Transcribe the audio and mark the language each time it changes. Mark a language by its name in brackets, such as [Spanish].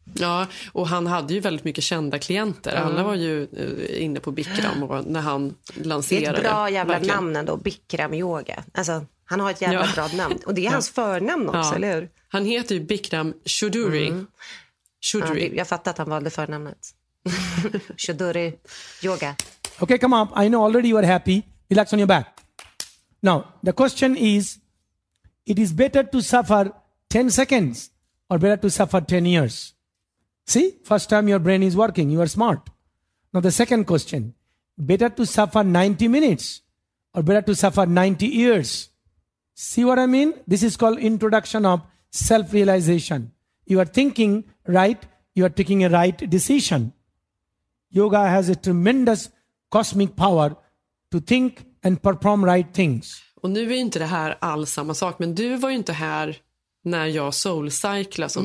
[Swedish] Ja, och han hade ju väldigt mycket kända klienter. Mm. Alla var ju inne på Bikram och när han lanserade. Det är ett bra jävla verkligen. Namn ändå, Bikram yoga. Alltså, han har ett jävla bra namn. Och det är hans förnamn också, eller hur? Han heter ju Bikram Choudhury. Mm. Choudhury. Ja, jag fattar att han valde förnamnet. Choudhury yoga. [English] Okay, come on. I know already you are happy. Relax on your back. Now, the question is, it is better to suffer 10 seconds or better to suffer 10 years? See, first time your brain is working, you are smart. Now, the second question, better to suffer 90 minutes or better to suffer 90 years? See what I mean? This is called introduction of self-realization. You are thinking right, you are taking a right decision. Yoga has a tremendous cosmic power to think and perform right things. [Swedish] Och nu är ju inte det här alls samma sak, men du var ju inte här när jag soulcyclade som